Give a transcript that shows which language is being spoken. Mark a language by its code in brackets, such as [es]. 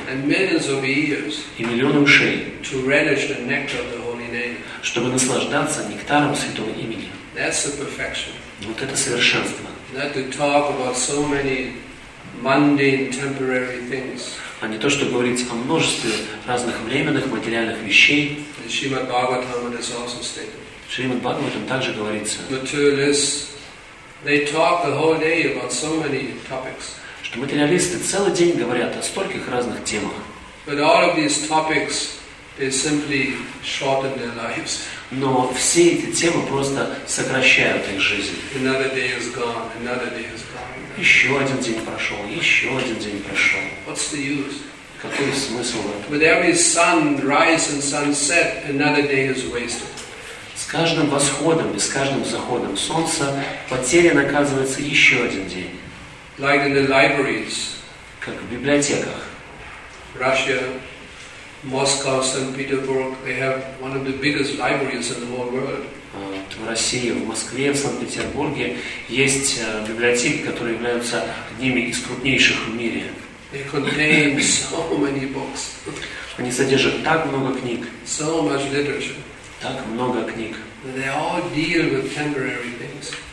[en] and millions of ears [ru] и миллионы ушей, [en] to relish the nectar of the holy name. [ru] Чтобы наслаждаться нектаром святого имени. [en] That's the perfection. [ru] Вот это совершенство. [en] Not to talk about so many mundane, temporary things. [ru] А не то, чтобы говорить о множестве разных временных материальных вещей. [en] In Srimad Bhagavatam it is also stated. [ru] Srimad Bhagavatam также говорится. [en] Materialists, they talk the whole day about so many topics. [ru] Что материалисты целый день говорят о стольких разных темах. [en] But all of these topics, they simply shorten their lives. [ru] Но все эти темы просто сокращают их жизнь. [en] Another day is gone, another day is gone. [ru] Еще один день прошел, еще один день прошел. [en] What's the use? [ru] Какой смысл в этом? [en] With every sun rise and sunset, another day is wasted. [ru] С каждым восходом и с каждым заходом солнца потерян, оказывается, еще один день. [en] Like in the libraries. [ru] Как в библиотеках. [en] Russia, Moscow, St. Petersburg, they have one of the biggest libraries in the whole world. [ru] В России, в Москве, в Санкт-Петербурге есть библиотеки, которые являются одними из крупнейших в мире. [en] They contain so many books. [ru] Они содержат так много книг. [en] So much literature. [ru] Так много книг. [en] They all deal with temporary things.